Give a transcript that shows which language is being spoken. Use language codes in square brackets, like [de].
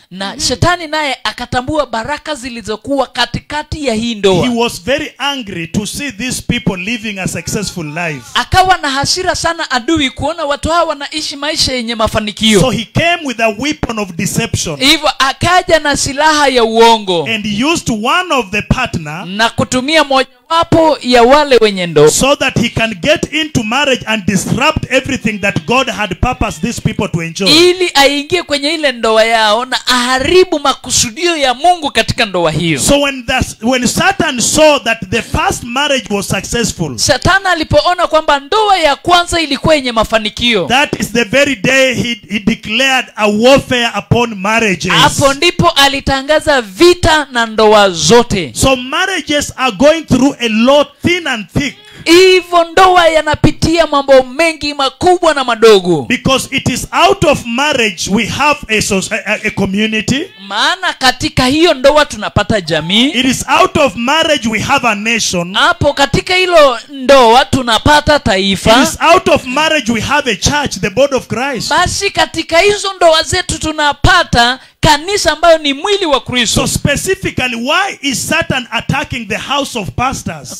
[sw] Na shetani naye akatambua baraka zilizokuwa katikati ya hii ndoa. [en] He was very angry to see these people living a successful life. [sw] Akawa na hasira sana adui kuona watu hawa wanaishi maisha yenye mafanikio. [en] So he came with a weapon of deception. [sw] Hivyo akaja na silaha ya uongo. [en] And used one of the partner. [sw] Na kutumia mojawapo ya wale wenye ndoa. [en] So that he can get into marriage and disrupt everything that God had purposed these people to enjoy. [sw] Ili aingie kwenye ile ndoa yao na aharibu makusudio ya Mungu katika ndoa hiyo. [en] So when Satan saw that the first marriage was successful. [sw] Satana alipoona kwamba ndoa ya kwanza ilikuwa yenye mafanikio. [en] That is the very day he declared a warfare upon marriages. [sw] Hapo ndipo alitangaza vita na ndoa zote. [en] So marriages are going through a lot thin and thick. [sw] Hivyo ndoa yanapitia mambo mengi makubwa na madogo. [en] Because it is out of marriage we have a community. [sw] Maana katika hiyo ndoa tunapata jamii. [en] It is out of marriage we have a nation. [sw] Hapo katika hilo ndoa tunapata taifa. [en] It is out of marriage we have a church, the body of Christ. [sw] Basi katika hizo ndoa zetu tunapata kanisa ambayo ni mwili wa Kristo. [en] So specifically, why is Satan attacking the house of pastors?